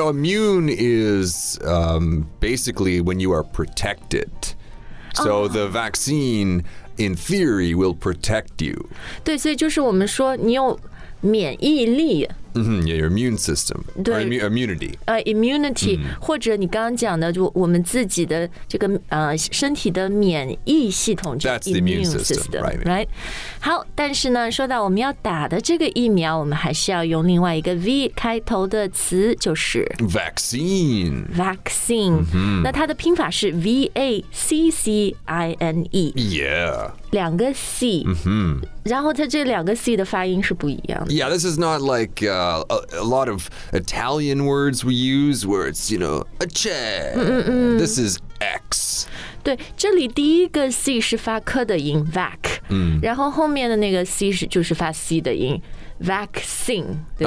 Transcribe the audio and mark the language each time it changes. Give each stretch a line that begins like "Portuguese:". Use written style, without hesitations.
English: No, immune is、basically when you are protected. So、the vaccineIn theory, will protect you.
Chinese: 对，所以就是我们说你有免疫力。
English: Yeah, your immune system.
Chinese: 对
English: immunity.
Chinese: Immunity,、或者你刚刚讲的，就我们自己的这个、身体的免疫系统。
English: That's the immune system, right?
Chinese: 好，但是呢，说到我们要打的这个疫苗，我们还是要用另外一个 V 开头的词，就是
English: vaccine.
Chinese: Vaccine.、那它的拼法是 V-A-C-C-I-N-E.
English: Yeah.
Chinese: 两个 C、然后它这两个 C 的发音是不一样的
English: Yeah, this is not like、a lot of Italian words we use where it's, you know, a c h e This is X
Chinese: 对这里第一个 C 是发科的音 Vac、然后后面的那个 C 是就是发 C 的音 Vaccine 对对